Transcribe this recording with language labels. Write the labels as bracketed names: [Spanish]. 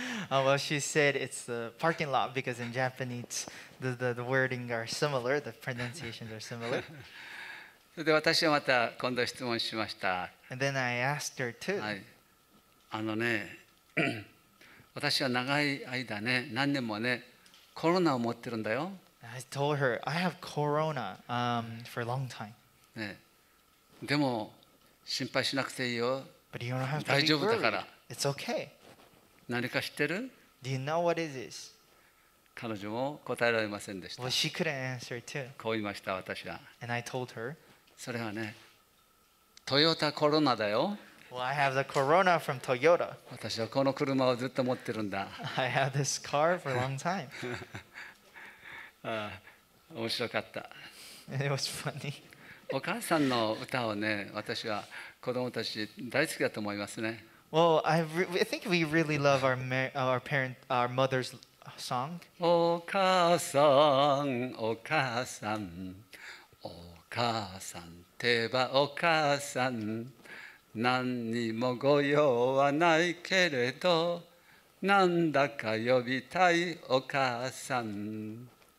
[English] Well, she said it's the parking lot because in Japanese the wording are similar, the pronunciations are similar. [Japanese] で私はまた今度質問しました。 [English] And then I asked her too. [Japanese] はい。あのね、私は長い間ね、何年もね、コロナを持ってるんだよ。 [English] I told her I have corona for a long time. [Japanese] ね、でも心配しなくていいよ。 [English] But you don't have to be [Japanese] 大丈夫だから。 [English] It's okay. [Japanese] 何か知ってる？ [English] Do you know what is this? [Japanese] 彼女も答えられませんでした。 [English] Well, she couldn't answer too. [Japanese] こう言いました、私は。 [English] And I told her. [Japanese] それはね、トヨタコロナだよ。 [English] Well, I have the corona from Toyota. [Japanese] 私はこの車をずっと持ってるんだ。 [English] I have this car for a long time. [Japanese] ああ、面白かった。 [English] It was funny. [Japanese] お母さんの歌をね、私は子供たち大好きだと思いますね。 [English] Well, I think we really love our mother's song. [Japanese] お母さん、お母さん、お母さん、てばお母さん、何にもご用はないけれど、なんだか呼びたいお母さん。